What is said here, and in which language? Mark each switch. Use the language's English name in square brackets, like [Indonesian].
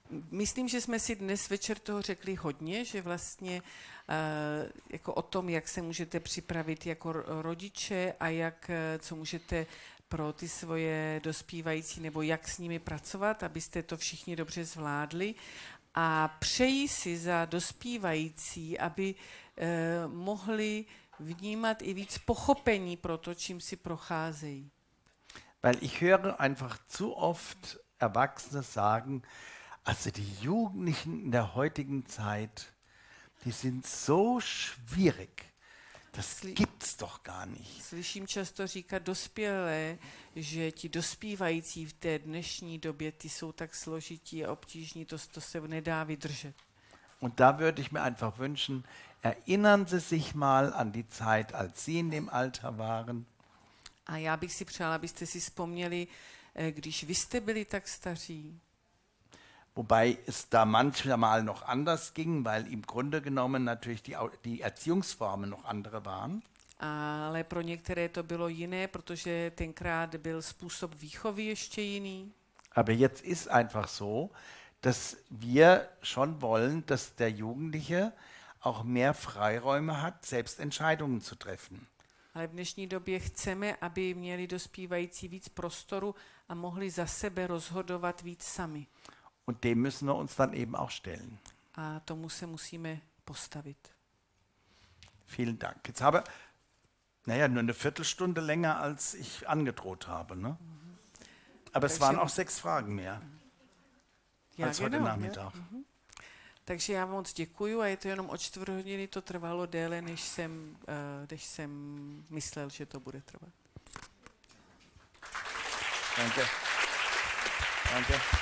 [Czech] Myslím, že jsme si dnes večer toho řekli hodně, že vlastně jako o tom, jak se můžete připravit jako rodiče a jak co můžete pro ty svoje dospívající nebo jak s nimi pracovat, abyste to všichni dobře zvládli. A přeji si za dospívající, aby mohli vnímat i víc pochopení pro to, čím si procházejí. [German] Weil ich höre einfach zu oft Erwachsene sagen, also die Jugendlichen in der heutigen Zeit, die sind so schwierig. Das gibt's doch gar nicht. [Czech] Slyším často říkat dospělé, že ti dospívající v té dnešní době, ty jsou tak složití a obtížní, to se nedá vydržet. [German] Und da würde ich mir einfach wünschen, erinnern Sie sich mal an die Zeit, als Sie in dem Alter waren. [Czech] A já bych si přála, abyste si vzpomněli, když vy jste byli tak staří. [German] Wobei es da manchmal noch anders ging, weil im Grunde genommen natürlich die Erziehungsformen noch andere waren. [Czech] Ale pro některé to bylo jiné, protože tenkrát byl způsob výchovy ještě jiný. [German] Aber jetzt ist einfach so, dass wir schon wollen, dass der Jugendliche auch mehr Freiräume hat, selbst Entscheidungen zu treffen. [Czech] Ale v dnešní době chceme, aby měli dospívající víc prostoru a mohli za sebe rozhodovat víc sami. [German] Und dem müssen wir uns dann eben auch stellen. [Czech] A tomu se musíme postavit. [German] Vielen Dank. Jetzt habe, naja, nur eine Viertelstunde länger, als ich angedroht habe. Ne? Mhm. Aber es waren auch 6 Fragen mehr. Mhm. Ja, als heute Nachmittag. [Czech] Takže já moc děkuju a je to jenom o čtvrt hodiny, to trvalo déle, než jsem myslel, že to bude trvat. [German] Danke. Danke.